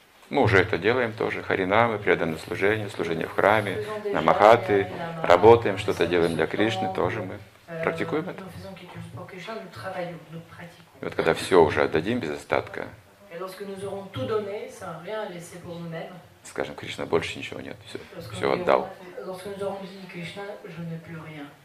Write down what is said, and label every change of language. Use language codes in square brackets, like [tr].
[ru] Мы уже это делаем тоже. Харинамы, преданное служение, служение в храме, намахаты, работаем, что-то делаем для Кришны, тоже мы практикуем это. И вот когда все уже отдадим без остатка, [fr] Et lorsque nous aurons tout donné, sans rien laisser pour nous-mêmes, [ru] скажем, Кришна, больше ничего нет, все, все отдал. [fr] Lorsque nous aurons dit Кришна, je n'ai plus rien.